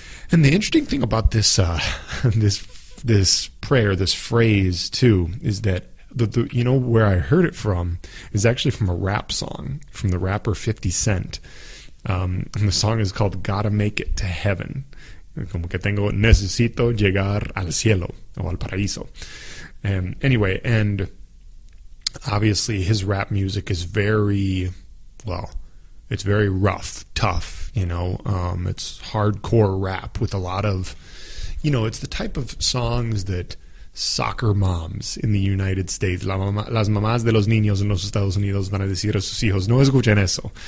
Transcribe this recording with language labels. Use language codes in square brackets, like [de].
[en] And the interesting thing about this this prayer, this phrase too, is that the you know where I heard it from is actually from a rap song from the rapper 50 Cent. And the song is called Gotta Make It to Heaven. [es] Como que tengo necesito llegar al cielo o al paraíso. [en] And obviously his rap music is very, well, it's very rough, tough, you know. It's hardcore rap with a lot of, you know, it's the type of songs that soccer moms in the United States, [es] las mamás de los niños en los Estados Unidos van a decir a sus hijos, no escuchen eso.